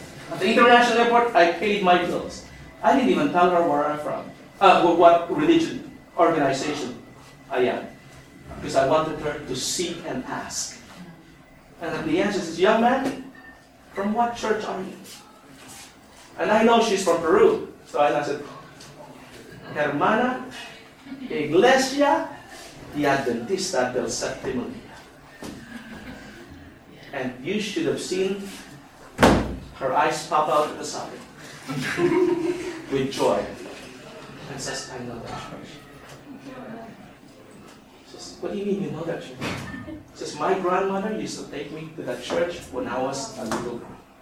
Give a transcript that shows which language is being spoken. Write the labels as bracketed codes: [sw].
[en] At the international airport, I paid my bills. I didn't even tell her where I'm from, what religion, organization I am. Because I wanted her to seek and ask. And at the end, she says, young man, from what church are you? And I know she's from Peru. So I said, [es] Hermana Iglesia de Adventista del Séptimo Día. [en] And you should have seen her eyes pop out at the side with joy. And says, I know that church. Says, what do you mean you know that church? Says, my grandmother used to take me to that church when I was a little girl.